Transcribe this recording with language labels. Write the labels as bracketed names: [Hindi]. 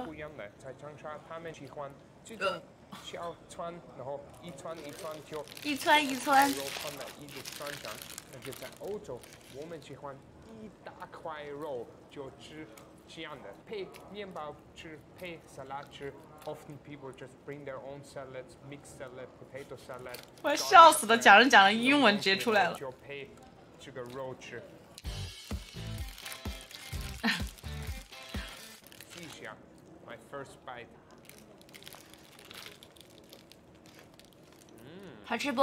[Chinese] 不一样的，在长沙他们喜欢这种小串，然后一串一串就一串一串，肉放在一个串上。那就在欧洲，我们喜欢一大块肉就吃这样的，配面包吃，配沙拉吃。 [English] Often people just bring their own salads, mixed salad, potato salad. [Chinese] 我要笑死了，讲着讲着英文直接出来了。就配这个肉吃。 [English] 细想，my first bite。 [Chinese] 嗯，好吃不？